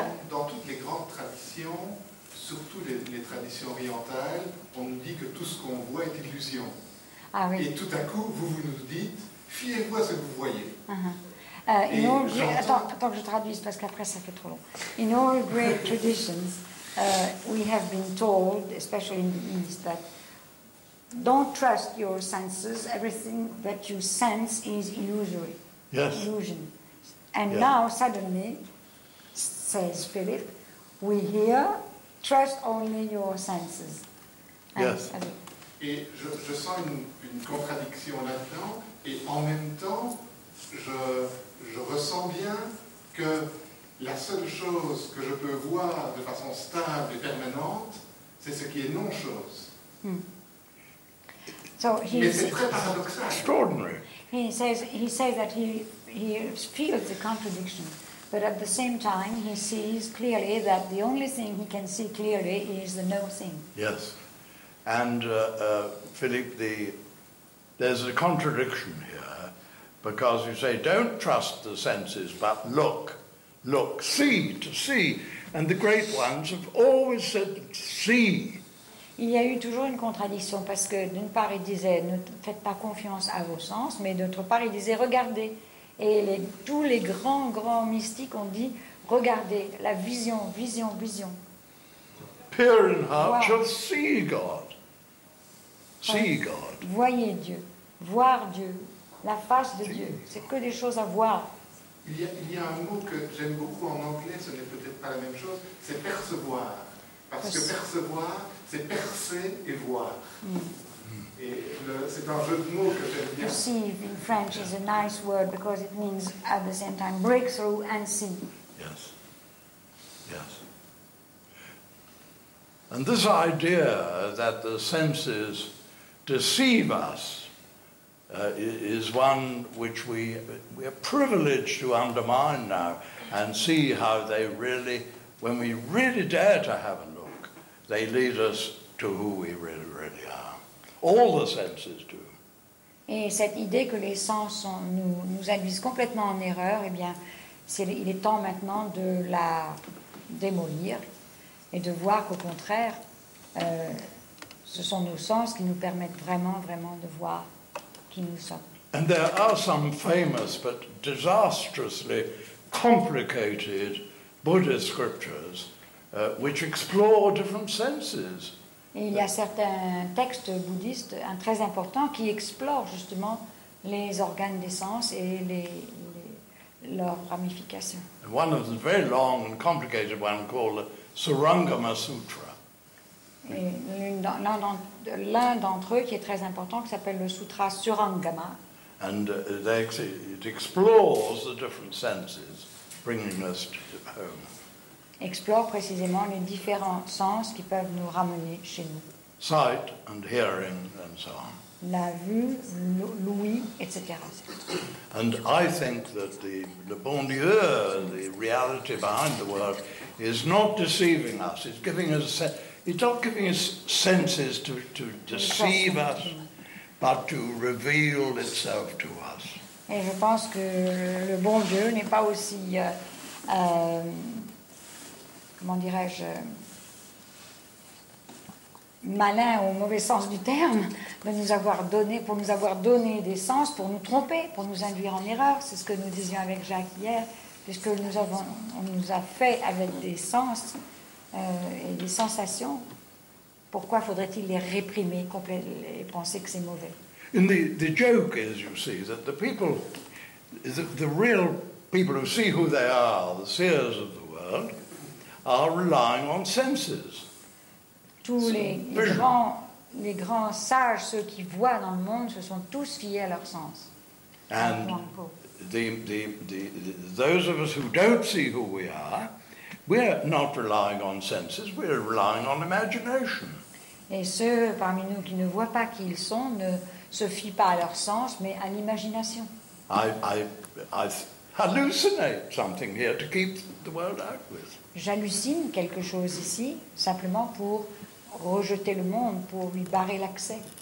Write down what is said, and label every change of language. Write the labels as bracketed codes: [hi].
[fr] Dans toutes les grandes traditions, surtout les traditions orientales, on nous dit que tout ce qu'on voit est illusion. Ah oui. Et tout à coup, vous nous dites, fiez-vous à ce que vous voyez. Attends que je traduise parce qu'après ça fait trop long. [en] In all great traditions, we have been told, especially in the East, that don't trust your senses. Everything that you sense is illusory. Yes. Illusion. And yeah. Now suddenly, says Philip, we hear, trust only your senses. Yes. [fr] Et je sens une contradiction là-dedans, et en même temps, je ressens bien que la seule chose que je peux voir de façon stable et permanente, c'est ce qui est non-chose. [en] So he [fr] Mais c'est très paradoxal. [en] Extraordinary. He says that he feels the contradiction. But at the same time, he sees clearly that the only thing he can see clearly is the no thing. Yes. And, Philip, there's a contradiction here, because you say, don't trust the senses, but look, see, to see. And the great ones have always said, see. [fr] Il y a eu toujours une contradiction, parce que d'une part, il disait, ne faites pas confiance à vos sens, mais d'autre part, il disait, regardez. Et tous les grands mystiques ont dit, regardez, la vision. [en] Peer in heart, wow. Just see God. See God. [fr] Voyez Dieu, voir Dieu, la face de Dieu. C'est que des choses à voir. Il y a un mot que j'aime beaucoup en anglais, ce n'est peut-être pas la même chose, c'est percevoir. Parce que percevoir, c'est percer et voir. C'est un jeu de mots que j'aime bien. [en] Perceive in French is a nice word because it means at the same time breakthrough and see. Yes. Yes. And this idea that the senses deceive us is one which we are privileged to undermine now and see how they really, when we really dare to have a look, they lead us to who we really, really are. All the senses do. [fr] Et cette idée que les sens nous induisent complètement en erreur, eh bien, il est temps maintenant de la démolir et de voir qu'au contraire, ce sont nos sens qui nous permettent vraiment, vraiment de voir qui nous sommes. [en] And there are some famous but disastrously complicated Buddhist scriptures which explore different senses. [fr] Et il y a certains textes bouddhistes très importants qui explorent justement les organes des sens et leurs ramifications. [en] One of the very long and complicated ones called Sarangama Sutra. [fr] Et l'un d'entre eux qui est très important qui s'appelle le Sutra Sarangama. [en] And it explores the different senses, bringing us to home. [fr] Explore précisément les différents sens qui peuvent nous ramener chez nous. [en] Sight and hearing and so on. [fr] La vue, l'ouïe, etc. [en] And I think that the [fr] bon Dieu, [en] the reality behind the world, is not deceiving us. It's giving us, it's not giving us senses to deceive us, but to reveal itself to us. [fr] Et je pense que le bon Dieu n'est pas aussi comment dirais-je, malin au mauvais sens du terme, pour nous avoir donné des sens, pour nous tromper, pour nous induire en erreur. C'est ce que nous disions avec Jacques hier, puisque on nous a fait avec des sens et des sensations. Pourquoi faudrait-il les réprimer complètement et penser que c'est mauvais? [en] The joke is, you see, that the people, the real people who see who they are, the seers of the world, are relying on senses. [fr] Tous les grands sages, ceux qui voient dans le monde, se sont tous fiés à leurs sens. [en] And those of us who don't see who we are, we're not relying on senses, we're relying on imagination. [fr] Et ceux parmi nous qui ne voient pas qui ils sont ne se fient pas à leurs sens, mais à l'imagination. [en] I hallucinate something here to keep the world out with. [fr] J'hallucine quelque chose ici, simplement pour rejeter le monde, pour lui barrer l'accès.